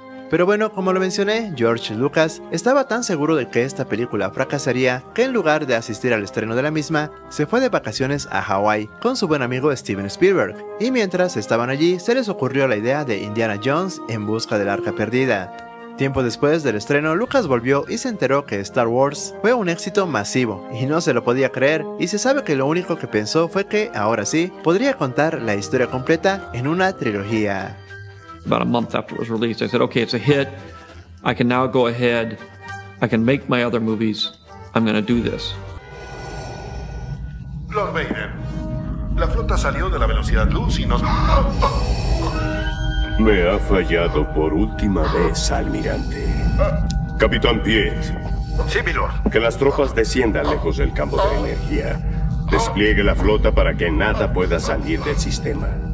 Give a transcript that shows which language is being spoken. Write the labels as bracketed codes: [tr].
[es] Pero bueno, como lo mencioné, George Lucas estaba tan seguro de que esta película fracasaría que en lugar de asistir al estreno de la misma, se fue de vacaciones a Hawái con su buen amigo Steven Spielberg, y mientras estaban allí, se les ocurrió la idea de Indiana Jones en busca del Arca Perdida. Tiempo después del estreno, Lucas volvió y se enteró que Star Wars fue un éxito masivo, y no se lo podía creer, y se sabe que lo único que pensó fue que, ahora sí, podría contar la historia completa en una trilogía. [en] About a month after it was released, I said, okay, it's a hit, I can now go ahead, I can make my other movies, I'm gonna do this. [es] Lord Vader, la flota salió de la velocidad luz y nos... Me ha fallado por última vez, almirante. Capitán Piet. Sí, milord. Que las tropas desciendan lejos del campo de energía. Despliegue la flota para que nada pueda salir del sistema.